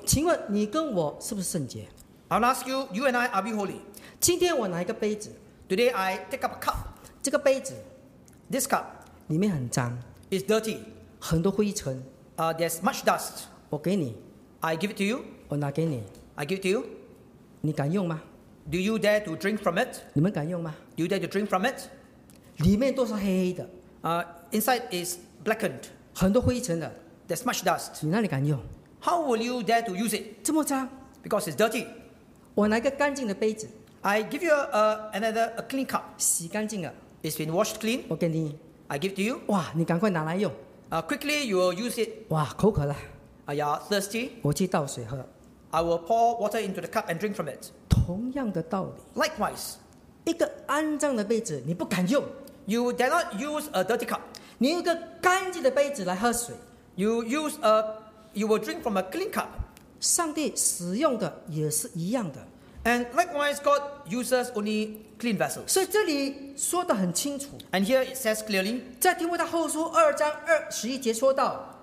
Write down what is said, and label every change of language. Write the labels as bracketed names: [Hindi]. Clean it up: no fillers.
[Chinese] 请问你跟我是不是圣洁？ [English] I'll ask you, you and I, are we holy? [Chinese] 今天我拿一个杯子 [English] Today I take up a cup. [Chinese] 这个杯子 [English] this cup, [Chinese] 里面很脏 [English] is dirty. [Chinese] 很多灰尘 [English] there's much dust. [Chinese] 我给你 [English] I give it to you. [Chinese] 我拿给你 [English] I give it to you. [Chinese] 你敢用吗 [English] Do you dare to drink from it? [Chinese] 你们敢用吗 [English] Do you dare to drink from it? [Chinese] 里面都是黑黑的 [English] inside is blackened. [Chinese] 很多灰尘的 [English] There's much dust. [Chinese] 你哪里敢用 [English] How will you dare to use it? [Chinese] 这么脏 [English] Because it's dirty. [Chinese] 我拿一个干净的杯子 [English] I give you a clean cup. [Chinese] 洗干净了 [English] It's been washed clean. [Chinese] 我给你 [English] I give to you. [Chinese] 哇，你赶快拿来用 [English] Quickly you will use it. [Chinese] 哇，口渴了 [English] You're thirsty. [Chinese] 我去倒水喝 [English] I will pour water into the cup and drink from it. [Chinese] 同样的道理 [English] Likewise. [Chinese] 一个肮脏的杯子你不敢用 [English] You dare not use a dirty cup. [Chinese] 你用一个干净的杯子来喝水。 [English] You use a, you will drink from a clean cup. [Chinese] 上帝使用的也是一样的。 [English] And likewise, God uses only clean vessels. [Chinese] 所以这里说得很清楚。 [English] And here it says clearly. [Chinese] 在提摩太后书二章二十一节说到。